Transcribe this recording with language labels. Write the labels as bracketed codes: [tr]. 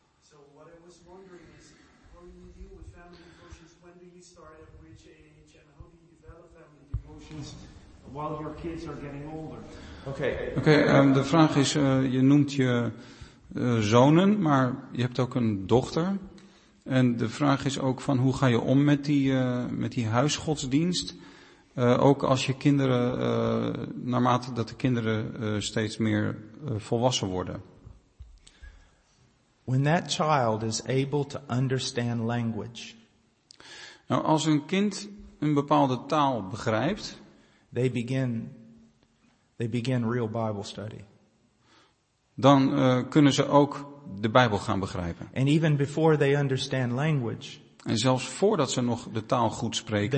[en] So what I was wondering is, how do you deal with family devotions? When do you start, at which age, and how do you develop family devotions while your kids are getting older? Okay, [nl] de vraag is, je noemt je zonen, maar je hebt ook een dochter. En de vraag is ook van, hoe ga je om met die huisgodsdienst Ook als je kinderen, naarmate dat de kinderen steeds meer volwassen worden. [en] When that child is able to understand language. [nl] Nou, als een kind een bepaalde taal begrijpt, [en] they begin real Bible study. [nl] Dan kunnen ze ook de Bijbel gaan begrijpen. [en] And even before they understand language. [nl] En zelfs voordat ze nog de taal goed spreken,